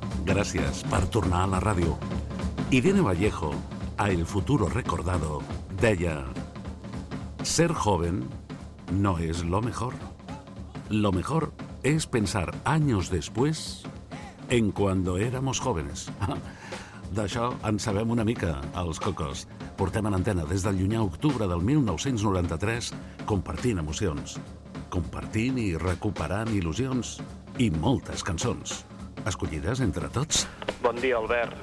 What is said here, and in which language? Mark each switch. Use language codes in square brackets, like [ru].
[ca] Gràcies per tornar a la ràdio. [es] Irene Vallejo, a El Futuro Recordado, deia: ser joven no es lo mejor. Lo mejor es pensar años después en cuando éramos jóvenes. [ca] D'això en sabem una mica, els Cocos. Portem a l'antena des del llunyà octubre del 1993 compartint emocions, compartint i recuperant il·lusions i moltes cançons, escollides entre tots. Bon dia, Albert.